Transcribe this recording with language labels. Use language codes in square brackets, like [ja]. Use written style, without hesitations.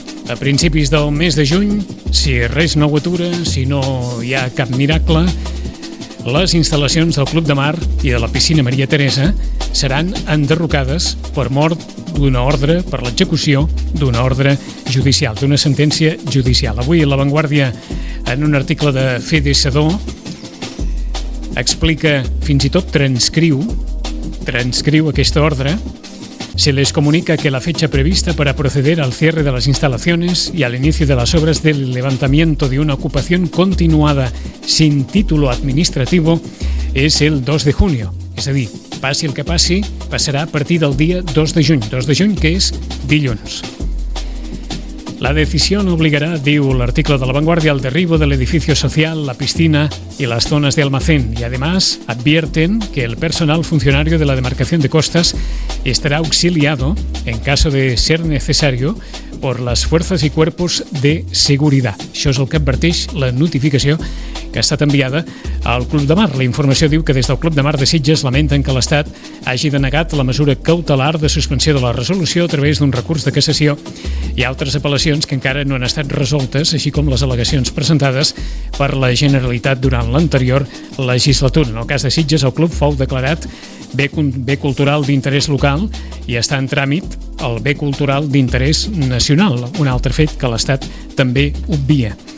[ca] A principis del mes de juny, si res no ho atura, si no hi ha cap miracle, les instal·lacions del Club de Mar i de la piscina Maria Teresa seran enderrocades per mort d'una ordre, per l'execució d'una ordre judicial, d'una sentència judicial. Avui La Vanguardia, en un article de Fede Sadó, explica, fins i tot transcriu aquesta ordre: [es] se les comunica que la fecha prevista para proceder al cierre de las instalaciones y al inicio de las obras del levantamiento de una ocupación continuada sin título administrativo es el 2 de junio. Es decir, pase el que pase, pasará a partir del día 2 de junio. 2 de junio, [ca] que es dilluns. [es] La decisión obligará, [ca] diu l'article de La Vanguardia, [es] al derribo del edificio social, la piscina y las zonas de almacén. Y además advierten que el personal funcionario de la demarcación de costas estará auxiliado, en caso de ser necesario, por las fuerzas y cuerpos de seguridad. [ca] Això és el que adverteix la notificació que ha estat enviada al Club de Mar. La informació diu que des del Club de Mar de Sitges lamenten que l'Estat hagi denegat la mesura cautelar de suspensió de la resolució a través d'un recurs de cassació i altres apel·lacions que encara no han estat resoltes, així com les al·legacions presentades per la Generalitat durant l'anterior legislatura. En el cas de Sitges, el club fou declarat bé cultural d'interès local i està en tràmit el bé cultural d'interès nacional, un altre fet que l'Estat també obvia.